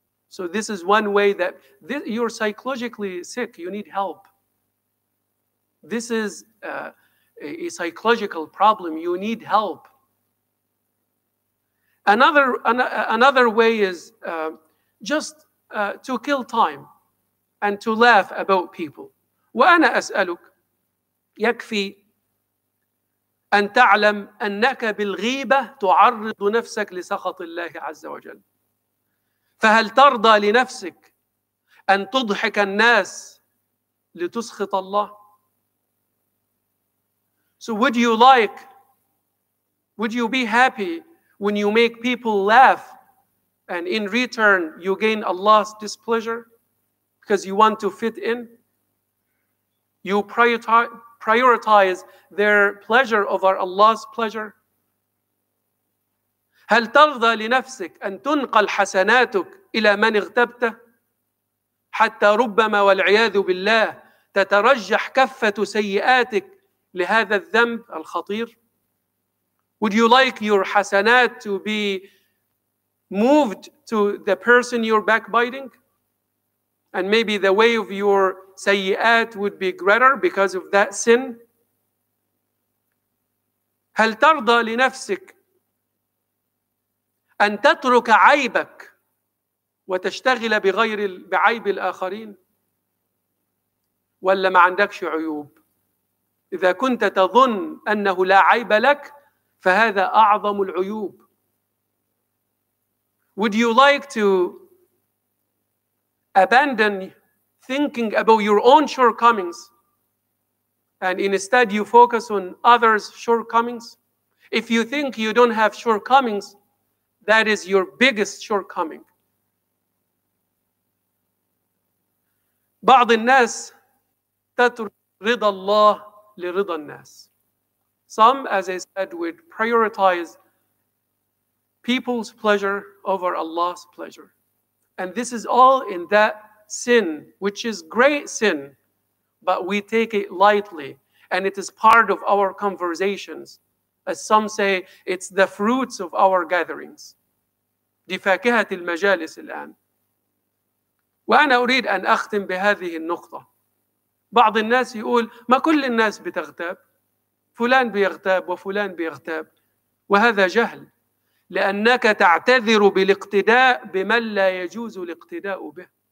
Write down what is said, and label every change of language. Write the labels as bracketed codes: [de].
[en] So this is one way that you're psychologically sick. You need help. This is a psychological problem. You need help. Another way is just to kill time and to laugh about people. [ar] وَأَنَا أَسْأَلُكَ يَكْفِي أن تعلم أنك بالغيبة تعرض نفسك لسخط الله عز وجل. فهل ترضى لنفسك أن تضحك الناس لتسخط الله؟ [en] So would you like, would you be happy when you make people laugh and in return you gain Allah's displeasure because you want to fit in? You prioritize their pleasure over Allah's pleasure. [ar] هل ترضى لنفسك أن تنقل حسناتك إلى من اغتبته حتى ربما والعياذ بالله تترجح كفة سيئاتك لهذا الذنب الخطير? [en] Would you like your حسنات to be moved to the person you're backbiting? And maybe the way of your سيئات would be greater because of that sin. [ar] هل ترضى لنفسك أن تترك عيبك وتشتغل بغير بعيب الآخرين ولا ما عندكش عيوب؟ إذا كنت تظن أنه لا عيب لك فهذا أعظم العيوب. [en] Would you like to abandon thinking about your own shortcomings and instead you focus on others' shortcomings? If you think you don't have shortcomings, that is your biggest shortcoming. [ar] بعض الناس ترضى الله لرضى الناس. [en] Some, as I said, would prioritize people's pleasure over Allah's pleasure. And this is all in that sin, which is great sin, but we take it lightly, and it is part of our conversations. As some say, it's the fruits of our gatherings. [ar] دي فاكهة المجالس الآن. وأنا أريد أن أختم بهذه النقطة. بعض الناس يقول ما كل الناس بتغتاب، فلان بيغتاب وفلان بيغتاب، وهذا جهل، لأنك تعتذر بالاقتداء بمن لا يجوز الاقتداء به.